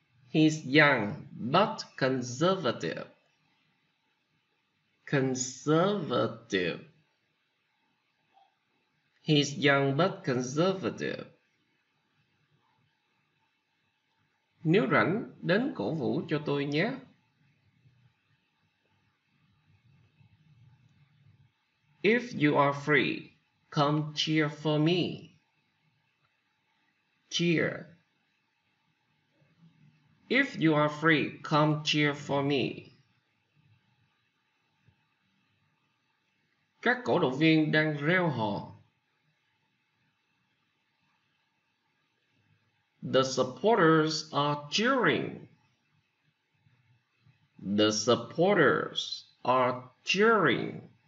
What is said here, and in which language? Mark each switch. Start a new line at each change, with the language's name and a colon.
English: He's young but conservative. Conservative. He's young but conservative.
Vietnamese: Nếu rảnh, đến cổ vũ cho tôi nhé.
English: If you are free, come cheer for me. Cheer. If you are free, come cheer for me.
Vietnamese: Các cổ động viên đang reo hò.
English: The supporters are cheering. The supporters are cheering.